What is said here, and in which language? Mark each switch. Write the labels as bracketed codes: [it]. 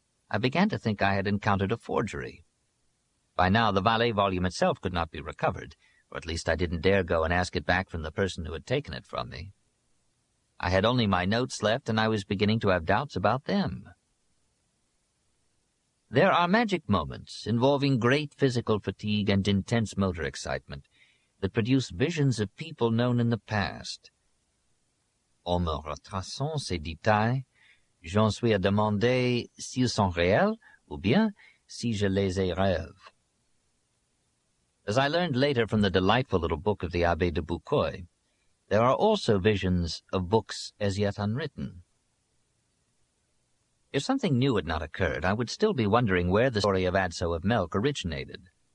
[en] I began to think I had encountered a forgery. By now, the Valet volume itself could not be recovered, or at least I didn't dare go and ask it back from the person who had taken it from me. I had only my notes left, and I was beginning to have doubts about them. There are magic moments involving great physical fatigue and intense motor excitement that produce visions of people known in the past. [fr] En me retraçant ces détails, j'en suis à demander s'ils sont réels ou bien si je les ai rêves. [en] As I learned later from the delightful little book of the Abbé de Boucoy, there are also visions of books as yet unwritten. If something new had not occurred, I would still be wondering where the story of Adso of Melk originated.